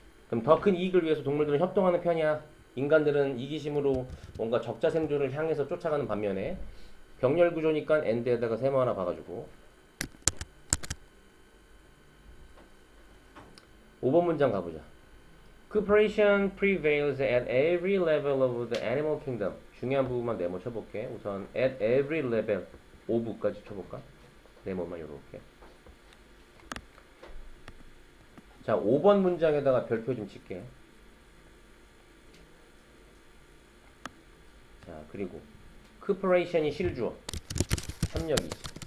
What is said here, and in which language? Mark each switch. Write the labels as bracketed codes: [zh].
[ko] 그럼 더큰 이익을 위해서 동물들은 협동하는 편이야. 인간들은 이기심으로 뭔가 적자 생존을 향해서 쫓아가는 반면에 병렬 구조니까 엔드에다가 세모 하나 봐가지고 5번 문장 가보자. [en] Cooperation prevails at every level of the animal kingdom. [ko] 중요한 부분만 네모 쳐볼게. 우선 [en] at every level [ko] 5부까지 쳐볼까? 네모만 요렇게. 자, 5번 문장에다가 별표 좀 칠게. 자, 그리고 cooperation이 실주어 협력이지.